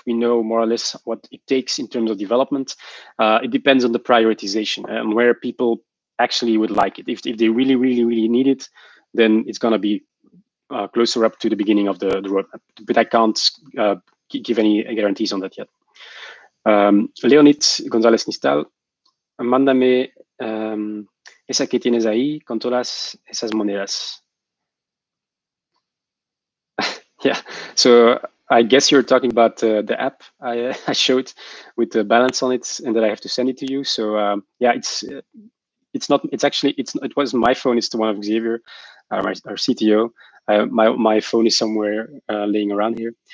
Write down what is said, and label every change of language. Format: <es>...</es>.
<en>We know more or less what it takes in terms of development. It depends on the prioritization and where people actually would like it. If they really, really, really need it, then it's going to be closer up to the beginning of the roadmap, but I can't give any guarantees on that yet.</en> <es>Leonid González Nistal, mándame esa que tienes ahí con todas esas monedas.</es> <en>Yeah, so I guess you're talking about the app I showed with the balance on it and that I have to send it to you. So yeah, it was my phone, it's the one of Xavier, our CTO. My phone is somewhere laying around here.</en>